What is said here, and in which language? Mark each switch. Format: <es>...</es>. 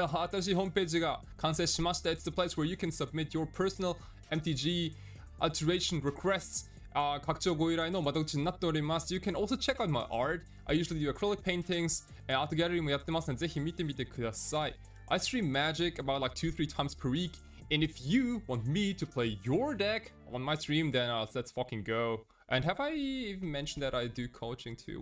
<ja>新しいホームページが完成しました。</ja> <en>It's the place where you can submit your personal MTG alteration requests.</en> <ja>拡張ご依頼の窓口になっております。</ja> <en>You can also check out my art. I usually do acrylic paintings.</en> <ja>アートギャラリーもやってますので、ぜひ見てみてください。</ja> <en>I stream magic about like 2-3 times per week. And if you want me to play your deck on my stream, then let's fucking go. And have I even mentioned that I do coaching too?</en>